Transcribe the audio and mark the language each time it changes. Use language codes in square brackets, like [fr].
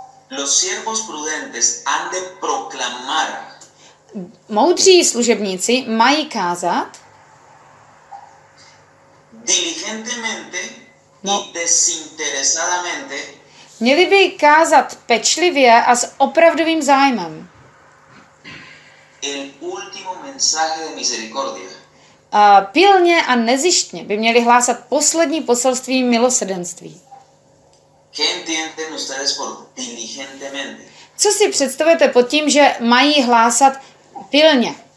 [es] Los siervos prudentes han de proclamar. [cs] Moudří služebníci mají kázat. [es] Diligentemente y desinteresadamente. [cs] Měli by kázat pečlivě a s opravdovým zájmem. [es] El último mensaje de misericordia. [cs] A pilně a nezištně by měli hlásat poslední poselství milosrdenství. [es] ¿Qué entienden ustedes por diligentemente? [cs] Co si představujete pod tím, že mají hlásat pilně?